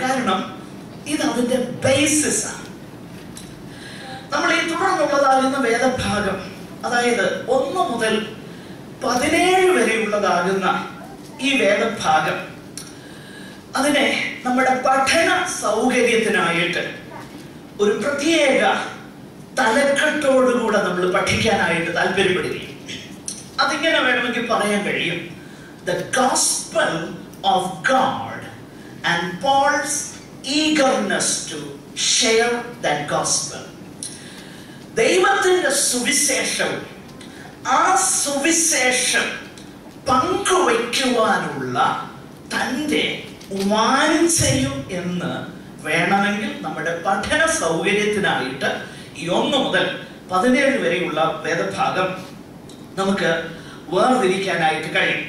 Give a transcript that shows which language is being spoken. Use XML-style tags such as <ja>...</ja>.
<ml>കാരണം ഇത് അതിന്റെ ബേസിസ് ആണ്. നമ്മൾ ഈ തുടർന്നുള്ളതാകുന്ന വേദഭാഗം, അതായത് 1 മുതൽ 17 വരെയുള്ളതാകുന്ന ഈ വേദഭാഗം, അതിനെ നമ്മുടെ പഠന സൗകര്യത്തിനായിട്ട് ഒരു പ്രത്യേക തലക്കെട്ടോടുകൂടെ നമ്മൾ പഠിക്കാനായിട്ട് താല്പര്യപ്പെടുകയും അതിങ്ങനെ വേണമെങ്കിൽ പറയാൻ കഴിയും.</ml> <en>The gospel of God and Paul's eagerness to share that gospel.</en> <ml>ദൈവത്തിന്റെ സുവിശേഷം, ആ സുവിശേഷം പങ്കുവയ്ക്കുവാനുള്ള തൻ്റെ വാഞ്ചയും എന്ന് വേണമെങ്കിൽ നമ്മുടെ പഠന സൗകര്യത്തിനായിട്ട് ഈ 1 മുതൽ 17 വരെയുള്ള വേദഭാഗം നമുക്ക് വേർതിരിക്കാനായിട്ട് കഴിയും.</ml>